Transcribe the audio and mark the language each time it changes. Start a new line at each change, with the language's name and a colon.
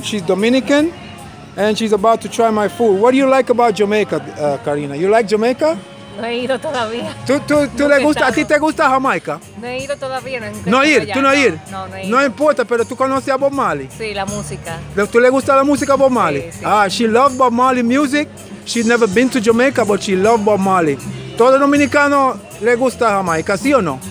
English: She's Dominican, and she's about to try my food. What do you like about Jamaica, Karina? You like Jamaica?
Spanish: No he ido todavía. ¿Tú le gusta, a ti te gusta Jamaica? No he ido todavía. No ir. No importa, pero tú conoces a Bob Marley. Sí, la música. ¿Tú le gusta la música a Bob Marley? Sí, sí.
English: Ah, she loves Bob Marley music. She's never been to Jamaica, but she loves Bob Marley.
Spanish: ¿Todo dominicano le gusta Jamaica, sí o no?